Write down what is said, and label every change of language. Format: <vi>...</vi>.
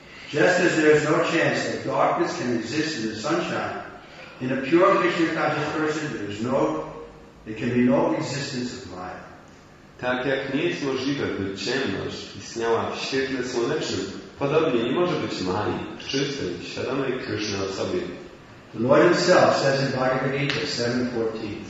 <en>Just as there is no chance that darkness can exist in the sunshine, in a pure Krishna conscious person there can be no existence of Maya.</en> <pl>Tak jak nie jest możliwe, by ciemność istniała w świetle słonecznym, podobnie nie może być Mali, czystej, świadomej Krishna osobie.</pl> <en>The Lord himself says in Bhagavad Gita 7:14.</en>